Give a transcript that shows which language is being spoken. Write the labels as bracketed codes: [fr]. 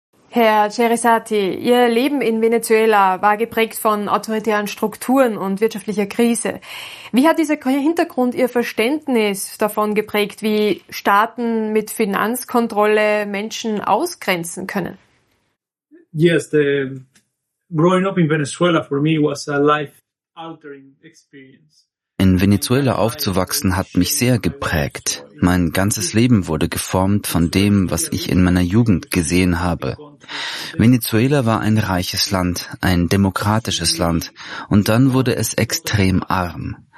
[de] Herr Cerezati, Ihr Leben in Venezuela war geprägt von autoritären Strukturen und wirtschaftlicher Krise. Wie hat dieser Hintergrund Ihr Verständnis davon geprägt, wie Staaten mit Finanzkontrolle Menschen ausgrenzen können? [en] Yes, the growing up in Venezuela for me was a life-altering experience. [de] In Venezuela aufzuwachsen hat mich sehr geprägt. Mein ganzes Leben wurde geformt von dem, was ich in meiner Jugend gesehen habe. Venezuela war ein reiches Land, ein demokratisches Land, und dann wurde es extrem arm.